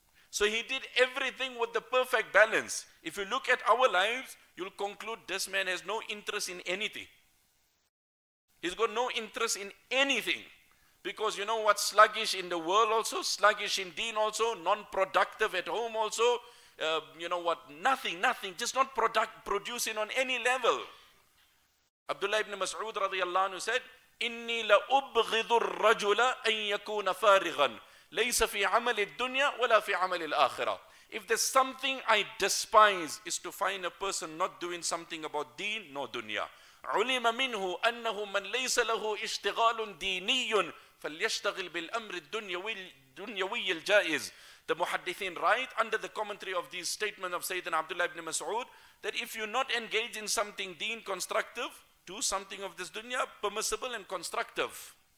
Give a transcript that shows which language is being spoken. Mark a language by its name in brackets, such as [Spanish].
[English] So he did everything with the perfect balance. If you look at our lives, you'll conclude this man has no interest in anything. He's got no interest in anything. Because you know what? Sluggish in the world also, sluggish in deen also, non-productive at home also. You know what? Nothing, nothing. Just not producing on any level. Abdullah ibn Mas'ud radiyallahu anhu said, [Arabic] إِنِّي لَأُبْغِضُ الرَّجُلَ أَن يَكُونَ فَارِغًا لَيْسَ فِي عَمَلِ الدُّنْيَا وَلَا فِي عَمَلِ الْآخِرَةِ. [English] If there's something I despise, is to find a person not doing something about deen nor dunya. [Arabic] عُلِمَ مِنْهُ أَنَّهُ مَنْ لَيْسَ لَهُ إِشْتِغَالٌ دِينِيٌ فَلْيَشْتَغِلْ بِالْأَمْرِ الدُّنْيَوِي الْجَائِزِ. [English] The Muhaddithin write, under the commentary of these statements of Sayyidina Abdullah ibn Mas'ud, that if you're not engaged in something deen constructive, do something of this dunya permissible and constructive.